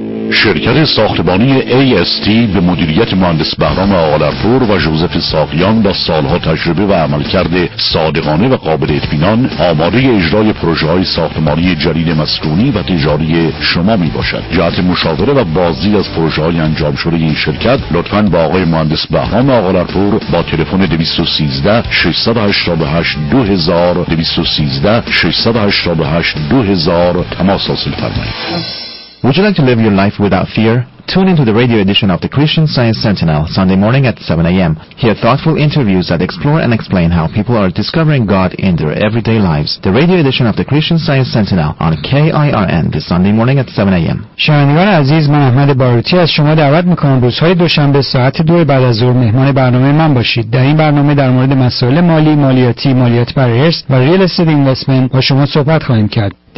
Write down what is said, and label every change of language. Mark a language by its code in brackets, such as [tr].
[fa] شرکت ساختمانی AST به مدیریت مهندس بهرام آقالرپور و جوزف ساقیان با سالها تجربه و عملکرد صادقانه و قابل اطمینان آماده اجرای پروژه‌های ساختمانی جدید مسکونی و تجاری شما می باشد. جهت مشاوره و بازدید از پروژه‌های انجام شده این شرکت، لطفاً با آقای مهندس بهرام آقالرپور با تلفن 213-688-2000 تماس حاصل فرمایید. [en] Would you like to live your life without fear? Tune into the radio edition of the Christian Science Sentinel, Sunday morning at 7 a.m. Hear thoughtful interviews that explore and explain how people are discovering God in their everyday lives. The radio edition of the Christian Science Sentinel on KIRN this Sunday morning at 7 a.m. [fa] شنوندگان عزیز، من احمد باروتی از شما دعوت میکنم روزهای دوشنبه ساعت 2 بعد از ظهر مهمان برنامه من باشید. در این برنامه در مورد مسائل مالی، مالیاتی، مالیات بر ارث و ریل استیت اینوستمنت با شما صحبت خواهیم کرد.